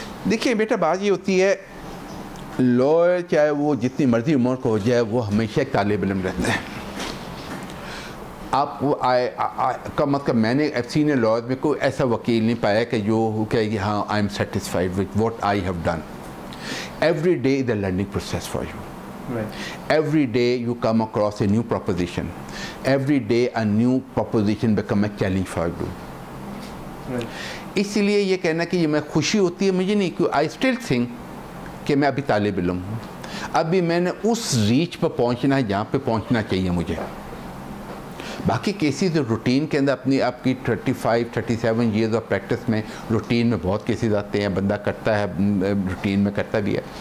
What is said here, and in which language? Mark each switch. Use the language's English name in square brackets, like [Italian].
[Urdu] دیکھیے بیٹا, بات یہ ہوتی ہے لائر چاہے وہ جتنی مرضی عمر کا ہو جائے وہ ہمیشہ ایک طالب علم رہتا ہے. آپ کم از کم میں نے سینئر لائرز میں کوئی ایسا وکیل نہیں پایا کہ جو کہ ہاں [English] I am satisfied with what I have done. Every day is a learning process for you. Right. Every day you come across a new proposition. Every day a new proposition become a challenge for you. Right. [Urdu] اس لیے یہ کہنا کہ یہ میں خوشی ہوتی ہے مجھے نہیں, کیوں, [English] I still think [Urdu] کہ میں ابھی طالب علم ہوں، ابھی میں نے اس ریچ پہ پہنچنا ہے جہاں پہ پہنچنا چاہیے مجھے. باقی کیسز روٹین کے اندر اپنی آپ کی 35-37 ایئرز آف پریکٹس میں روٹین میں بہت کیسز آتے ہیں، بندہ کرتا ہے روٹین میں، کرتا بھی ہے.